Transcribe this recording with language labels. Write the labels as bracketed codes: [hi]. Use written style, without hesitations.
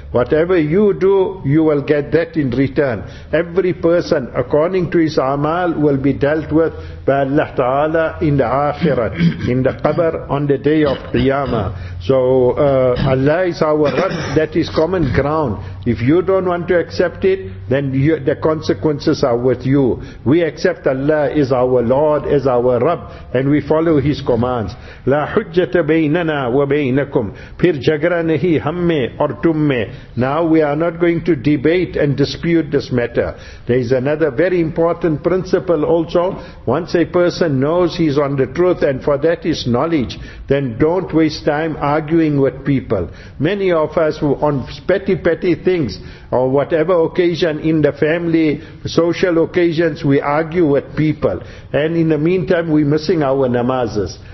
[en] Whatever you do, you will get that in return. Every person, according to his amal, will be dealt with by Allah Ta'ala in the Akhirat, in the Qabr, on the day of Qiyamah. So Allah is our Rabb, that is common ground. If you don't want to accept it, then the consequences are with you. We accept Allah as our Lord, as our Rabb, and we follow His commands. [ar] لا حجت بيننا وبينكم [ur] پھر جگرا نہیں ہم میں اور تم میں. [en] Now we are not going to debate and dispute this matter. There is another very important principle also. Once a person knows he is on the truth, and for that is knowledge, then don't waste time arguing with people. Many of us who on petty things, or whatever occasion in the family, social occasions, we argue with people, and in the meantime we're missing our namazes.